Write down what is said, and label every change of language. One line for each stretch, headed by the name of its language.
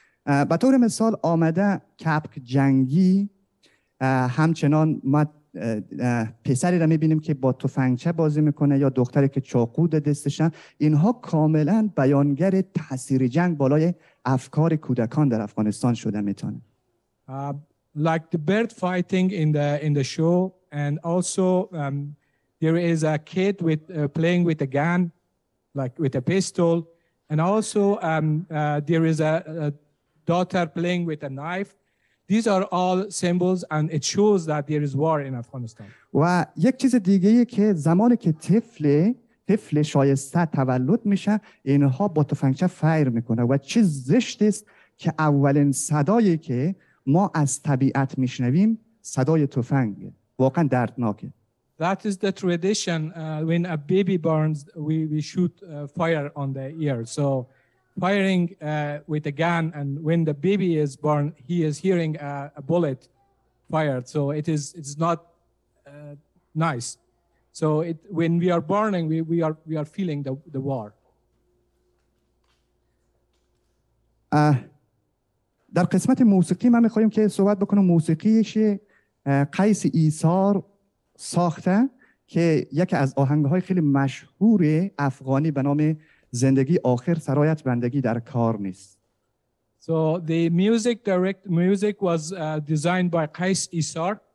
Persian: به طور مثال آمده کپک جنگی همچنان ما پسری را میبینیم که با تفنگچه بازی میکنه یا دختری که چاقو در دستشن اینها کاملا بیانگر تاثیر جنگ بالای افکار کودکان در افغانستان شده میتونه.
English: Like the bird fighting in the show and also there is a kid with playing with a gun like with a pistol and also there is a daughter playing with a knife. These are all symbols and it shows that there is war in Afghanistan.
Persian: و یک چیز دیگه‌ای که زمانی که طفل شایسته تولد میشه اینها با تفنگچه فایر میکنه و چه زشت است که اولین صدایی که ما از طبیعت میشنویم صدای تفنگ واقعا دردناکه.
English: That is the tradition when a baby burns we shoot fire on the ear. So firing with a gun and when the baby is born he is hearing a bullet fired so it's not nice so it when we are burning we are feeling the war.
Persian: در قسمت موسیقی من می‌خوام که صحبت بکنم موسیقیش قیس ایثار ساخته که یکی از آهنگ‌های خیلی مشهور افغانی به نام زندگی آخر سرایت بندگی در کار نیست.
English: So the music direct music was designed by Qais Isar.